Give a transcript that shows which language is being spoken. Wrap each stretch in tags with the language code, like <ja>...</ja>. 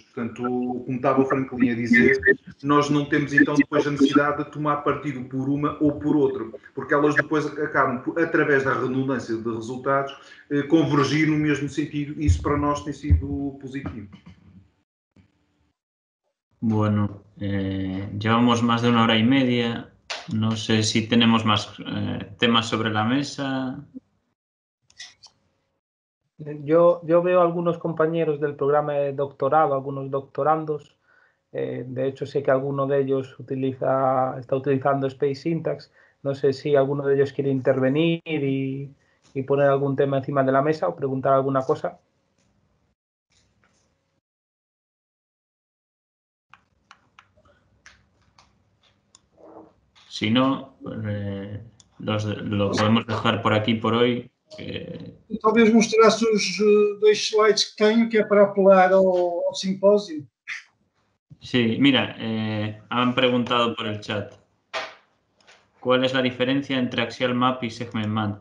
<pt>Portanto, como estava o Franklin a dizer, nós não temos então depois a necessidade de tomar partido por uma ou por outra, porque elas depois acabam, através da redundância de resultados, convergir no mesmo sentido, e isso para nós tem sido positivo.</pt> <es>Bueno, llevamos más de una hora y media. No sé si tenemos más temas sobre la mesa. Yo veo algunos compañeros del programa de doctorado, algunos doctorandos. De hecho, sé que alguno de ellos está utilizando Space Syntax. No sé si alguno de ellos quiere intervenir y poner algún tema encima de la mesa o preguntar alguna cosa. Si no, lo podemos dejar por aquí por hoy.</es> <pt>Talvez mostrasse os dois slides que tenho, que é para apelar ao simpósio.</pt> <es>Sí, mira, han preguntado por el chat. ¿Cuál es la diferencia entre Axial Map y Segment Map?</es>